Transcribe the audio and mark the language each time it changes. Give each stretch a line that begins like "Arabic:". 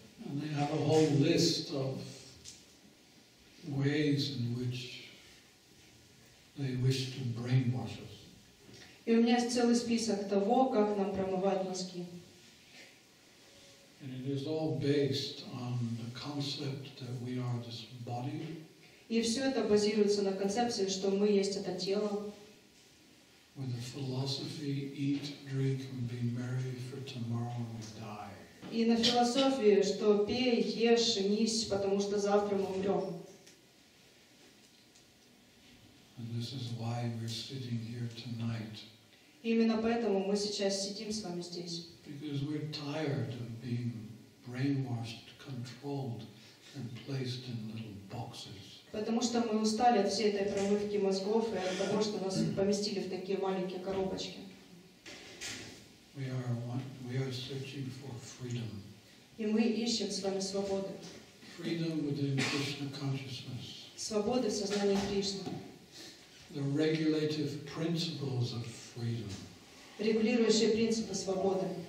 English: And they have a whole list of ways in which they wish to brainwash us.
Russian: И у меня есть целый список того, как нам промывать мозги.
English: And it is all based on the concept that we are this body.
Russian: И все это базируется на концепции, что мы есть это тело.
English: With the philosophy, eat, drink, and be merry, for tomorrow we die.
Russian: И на философии, что пей, ешь, женись, потому что завтра мы умрем.
English: And this is why we're sitting here tonight.
Russian: И именно поэтому мы сейчас сидим с вами здесь.
English: Because we're tired of being brainwashed, controlled, and placed in little boxes.
Russian: Потому что мы устали от всей этой промывки мозгов и от того, что нас поместили в такие маленькие коробочки.
English: We are searching for freedom.
Russian: И мы ищем с вами свободу.
English: Freedom within Krishna consciousness.
Russian: Свободы в сознании Кришны.
English: The regulative principles of freedom.
Russian: Регулирующие принципы свободы.